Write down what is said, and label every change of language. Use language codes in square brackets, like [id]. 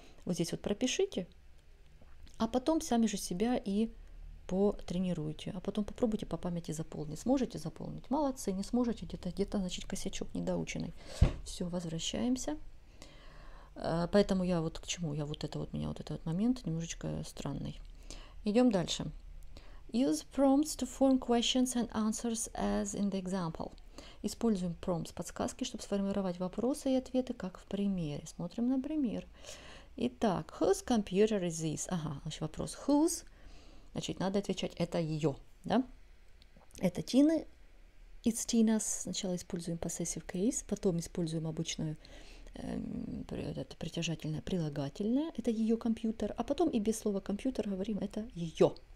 [ru] Вот здесь вот пропишите, а потом сами же себя и потренируйте, а потом попробуйте по памяти заполнить. Сможете заполнить? Молодцы, не сможете, где-то, значит, косячок недоученный. Все, возвращаемся. Поэтому я вот к чему, я вот это вот, меня вот этот вот момент немножечко странный. Идем дальше. [en] Use prompts to form questions and answers as in the example. [ru] Используем prompts, подсказки, чтобы сформировать вопросы и ответы, как в примере. Смотрим на пример. Итак, [en] whose computer is this? [ru] Ага, значит, вопрос whose, значит, надо отвечать, это ее, да? Это Тины, [en] it's Tina's. [ru] Сначала используем possessive case, потом используем обычную это притяжательное прилагательное, это ее компьютер, а потом и без слова компьютер говорим, это ее.